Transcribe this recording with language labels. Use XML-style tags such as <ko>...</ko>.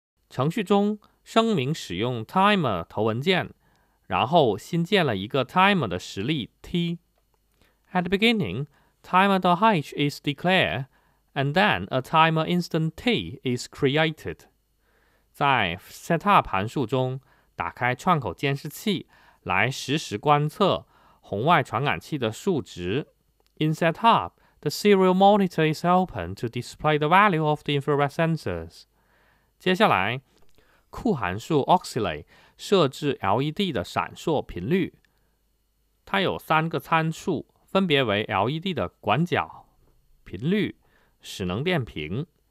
<zh>程序中声明使用 timer 头文件，然后新建了一个 timer 的实例 t.</zh> <en>At the beginning, timer.h is declared, and then a timer instant t is created.</en> <zh>在 setup 函数中，打开串口监视器来实时观测红外传感器的数值。</zh> <en>In setup, the serial monitor is open to display the value of the infrared sensors.</en> <zh>接下来库函数 oscillate 设置 LED 的闪烁频率，它有三个参数，分别为 LED 的管角、频率、使能电平。</zh>